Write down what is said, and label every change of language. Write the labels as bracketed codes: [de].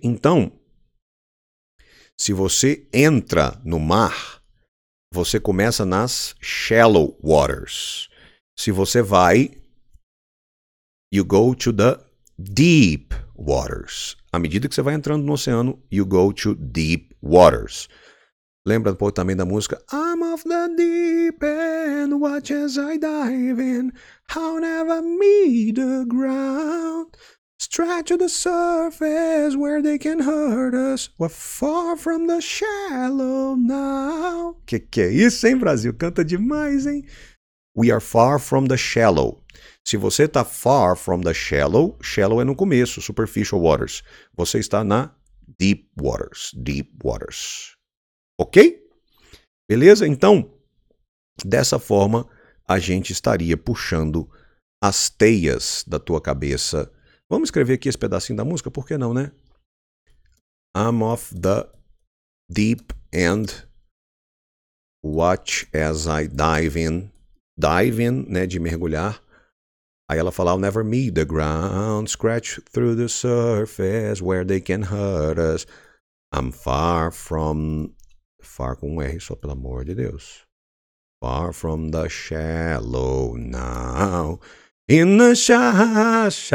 [pt] Então, se você entra no mar, você começa nas shallow waters. Se você vai, [en] you go to the deep waters. [pt] À medida que você vai entrando no oceano, [en] you go to deep waters. [pt] Lembra um pouco também da música? [en] I'm off the deep end, watch as I dive in. I'll never meet the ground. Stretch to the surface where they can hurt us. We're far from the shallow now. [pt] Que é isso, hein, Brasil? Canta demais, hein? [en] We are far from the shallow. [pt] Se você está [en] far from the shallow, [pt] shallow é no começo, superficial waters. Você está na deep waters, deep waters. Ok? Beleza? Então, dessa forma, a gente estaria puxando as teias da tua cabeça. Vamos escrever aqui esse pedacinho da música? Por que não, né? [en] I'm off the deep end. Watch as I dive in. Dive in, [pt] né, de mergulhar. Aí ela fala, [en] I'll never meet the ground. Scratch through the surface where they can hurt us. I'm far from... [pt] Far com um R, só pelo amor de Deus. [en] Far from the shallow now. In the shallow.